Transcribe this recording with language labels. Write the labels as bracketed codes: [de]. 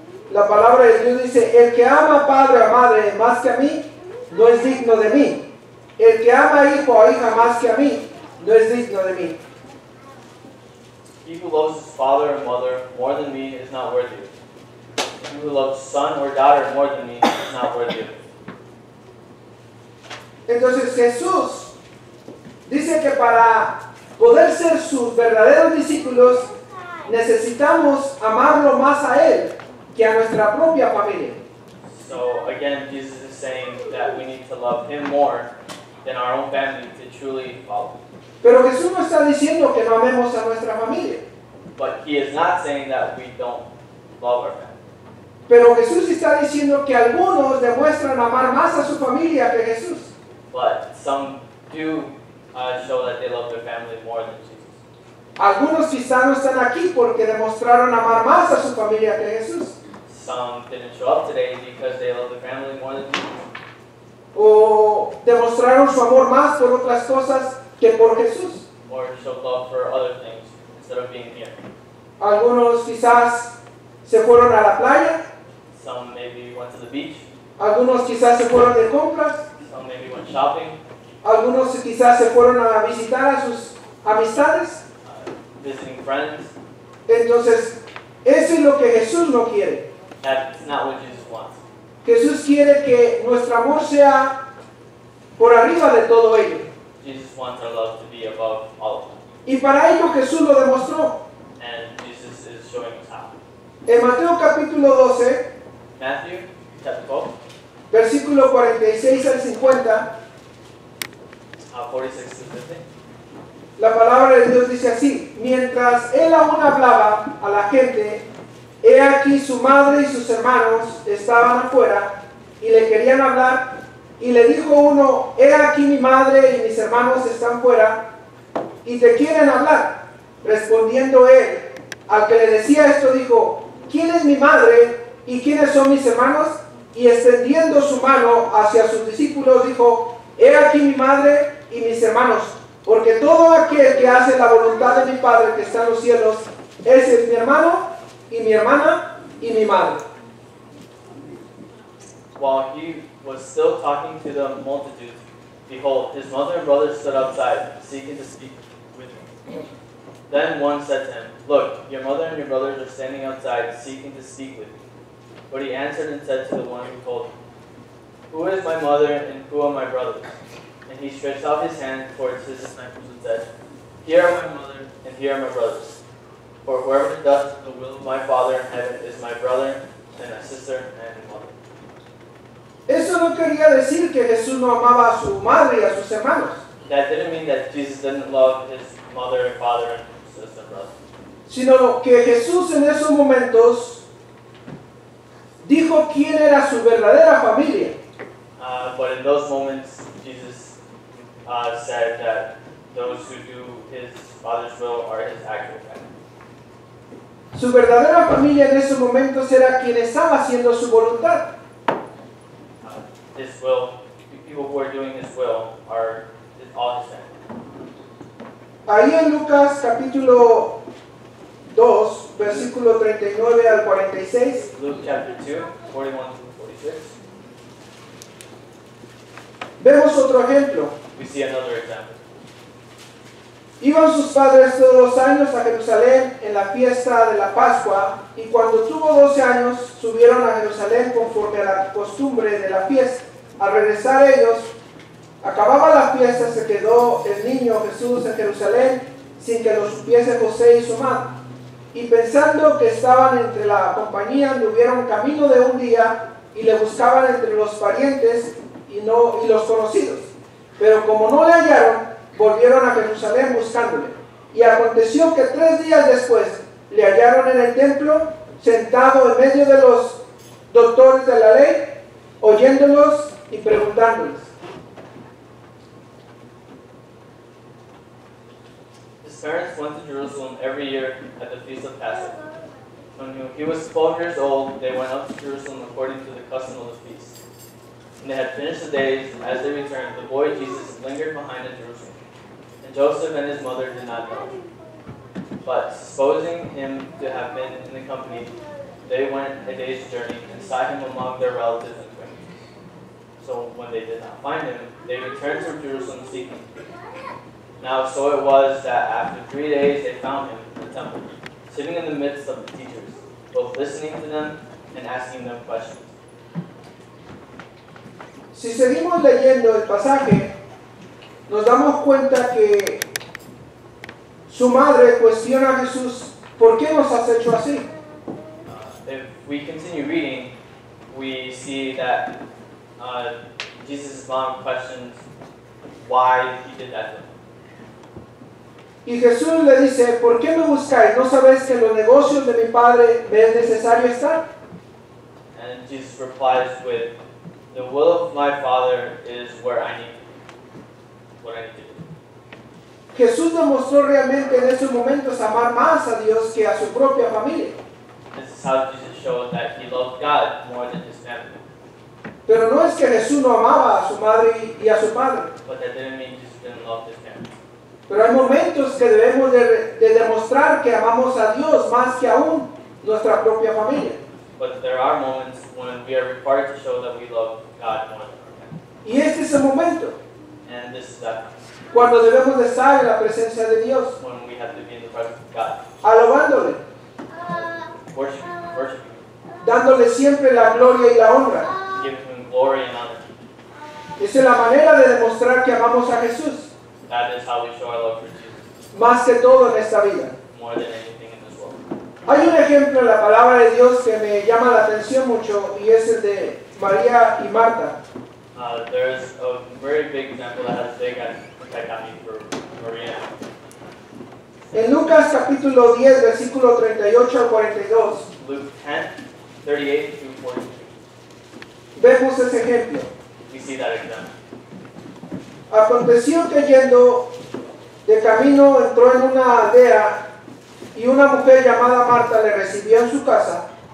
[es] La palabra de Dios dice, el que ama a padre o madre más que a mí, no es digno de mí. El que ama a hijo o hija más que a mí, no es digno de mí. [en] He who loves his father or mother more than me is not worthy of me. He who loves son or daughter more than me is not worthy of me. [es] Entonces Jesús dice que para poder ser sus verdaderos discípulos necesitamos amarlo más a él que a nuestra propia familia. [en] So again, Jesus is saying that we need to love him more than our own family to truly follow. [es] Pero Jesús no está diciendo que no amemos a nuestra familia. [en] But he is not saying that we don't love our family. [es] Pero Jesús está diciendo que algunos demuestran amar más a su familia que Jesús. [en] But some do show that they love their family more than Jesus. [es] Algunos quizás no están aquí porque demostraron amar más a su familia que Jesús. [en] Some didn't show up today because they love their family more than Jesus. [es] O demostraron su amor más por otras cosas que por Jesús. [en] Or show love for other things instead of being here. [es] Algunos quizás se fueron a la playa. [en] Some maybe went to the beach. [es] Algunos quizás se fueron de compras. [en] Some maybe went shopping. [es] Algunos quizás se fueron a visitar a sus amistades. [en] Visiting friends. [es] Entonces, eso es lo que Jesús no quiere. [en] That's not what Jesus wants. [es] Jesús quiere que nuestro amor sea por arriba de todo ello. [en] Jesus wants our love to be above all of them. [es] Y para ello Jesús lo demostró. [en] And Jesus is showing us how. [es] En Mateo capítulo 12, [en] Matthew chapter 12, [es] versículo 46 al 50, [en] 46 to 50. [es] La palabra de Dios dice así: mientras él aún hablaba a la gente, he aquí su madre y sus hermanos estaban afuera y le querían hablar, y le dijo uno: he aquí mi madre y mis hermanos están fuera y te quieren hablar. Respondiendo él al que le decía esto, dijo: ¿quién es mi madre y quiénes son mis hermanos? Y extendiendo su mano hacia sus discípulos, dijo: he aquí mi madre y mis hermanos, porque todo aquel que hace la voluntad de mi Padre que está en los cielos, ese es mi hermano y mi hermana y mi madre. [en] While he was still talking to the multitude, behold, his mother and brothers stood outside, seeking to speak with him. Then one said to him, look, your mother and your brothers are standing outside, seeking to speak with you. But he answered and said to the one who told him, who is my mother and who are my brothers? And he stretched out his hand towards his disciples and said, here are my mother and here are my brothers. For whoever does the will of my Father in heaven is my brother and a sister and a mother. [es] Eso no quería decir que Jesús no amaba a su madre y a sus hermanos. [en] That didn't mean that Jesus didn't love his mother and father and sister and brother. [es] Sino que Jesús en esos momentos dijo quién era su verdadera familia. [en] But in those moments, Jesus said that those who do his father's will are his actual family. [es] Su verdadera familia en esos momentos era quien estaba haciendo su voluntad. [en] His will, people who are doing his will are all his family. [es] Ahí en Lucas capítulo 2, versículo 39 al 46. [en] Luke chapter 2, 41 to 46. [es] Vemos otro ejemplo. [en] We see another example. [es] Iban sus padres todos los años a Jerusalén en la fiesta de la Pascua, y cuando tuvo 12 años, subieron a Jerusalén conforme a la costumbre de la fiesta. Al regresar ellos, acababa la fiesta, se quedó el niño Jesús en Jerusalén sin que lo supiese José y su madre. Y pensando que estaban entre la compañía, anduvieron camino de un día y le buscaban entre los parientes y los conocidos. Pero como no le hallaron, volvieron a Jerusalén buscándole. Y aconteció que 3 días después le hallaron en el templo, sentado en medio de los doctores de la ley, oyéndolos y preguntándoles. [en] His parents went to Jerusalem every year at the Feast of Passover. When he was 12 years old, they went up to Jerusalem according to the custom of the feast. When they had finished the days, as they returned, the boy Jesus lingered behind in Jerusalem. Joseph and his mother did not know, but supposing him to have been in the company, they went a day's journey and sought him among their relatives and acquaintances. So when they did not find him, they returned to Jerusalem seeking him. Now so it was that after 3 days they found him in the temple, sitting in the midst of the teachers, both listening to them and asking them questions. [es] Si seguimos leyendo el pasaje, nos damos cuenta que su madre cuestiona a Jesús, ¿por qué nos has hecho así? [en] If we continue reading, we see that Jesus' mom questions why he did that to him. [es] Y Jesús le dice, ¿por qué me buscáis? ¿No sabéis que en los negocios de mi padre me es necesario estar? [en] And Jesus replies with, the will of my father is where I need to be. [es] Jesús demostró realmente en esos momentos amar más a Dios que a su propia familia. [en] This is how Jesus showed that he loved God more than his family. [es] Pero no es que Jesús no amaba a su madre y a su padre. [en] But that didn't mean Jesus didn't love his family. [es] Pero hay momentos que debemos de demostrar que amamos a Dios más que aún nuestra propia familia. [en] But there are moments when we are required to show that we love God more than our family. [es] Y este es el momento. [en] And this is that. [es] Cuando debemos de estar en la presencia de Dios. [en] When we have to be in the presence of God. [es] Alabándole. [en] Worshiping. [es] Dándole siempre la gloria y la honra. [en] glory in others. [es] Esa es la manera de demostrar que amamos a Jesús. [en] That is how we show our love for Jesus. [es] Más que todo en esta vida. [en] More than anything in this world. [es] Hay un ejemplo en la palabra de Dios que me llama la atención mucho y es el de María y Marta. [en] There is a very big example that has big impact on me for Maria. [es] En Lucas capítulo 10, versículo 38 al 42. [en] Luke 10, 38 to 42. [es] Vemos ese ejemplo. [en] We see that example. [es] Aconteció que yendo de camino entró en una aldea y una mujer llamada Marta le recibió en su casa.